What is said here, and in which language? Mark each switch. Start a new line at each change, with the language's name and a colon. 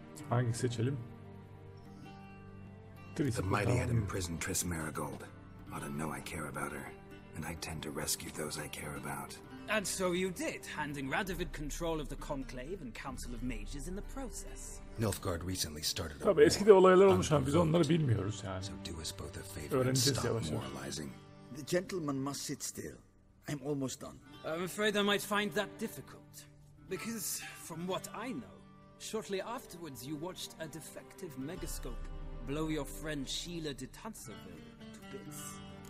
Turkish: Hangi seçelim?
English: The mighty had imprisoned Triss Marigold. Ought to know I care about her. And I tend to rescue those I care about. And so you did, handing Radovid control of the Conclave and Council of Mages in the process. Nilfgaard recently started a war.
Turkish: Eskide olaylar olmuş ama biz onları bilmiyoruz yani.
English: So do us both a favor and stop moralizing. The gentleman must sit still. I'm almost done. I'm afraid I might find that difficult. Because, from what I know, shortly afterwards you watched a defective megascope blow your friend Sheila de Tansaville to bits.